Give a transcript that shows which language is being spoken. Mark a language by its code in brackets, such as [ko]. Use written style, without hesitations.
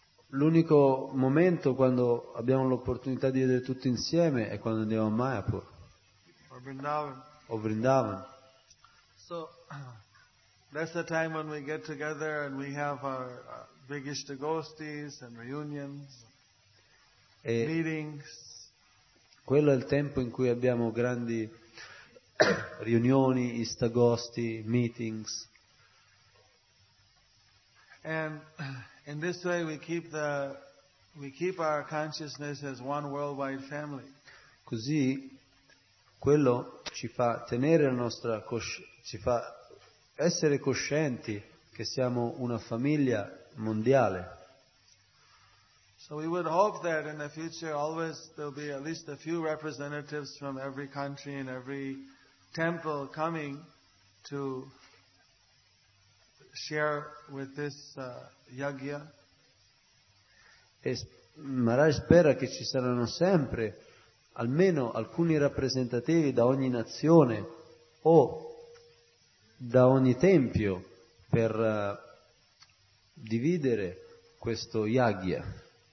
[it] L'unico momento quando abbiamo l'opportunità di vedere tutti insieme è quando andiamo a Mayapur. O Vrindavan. [en] So that's the time when we get together and we have our big Ishtagostis and reunions, [it] e [en] meetings. [it] Quello è il tempo in cui abbiamo grandi riunioni, Ishtagosti, meetings. [en] And in this way we keep our consciousness as one worldwide family. [it] Così quello ci fa tenere la nostra ci fa essere coscienti che siamo una famiglia mondiale. [en] So we would hope that in the future always there'll be at least a few representatives from every country and every temple coming to share with this yagya. [it] E Maharaj spera che ci saranno sempre almeno alcuni rappresentativi da ogni nazione o da ogni tempio per dividere questo yagya.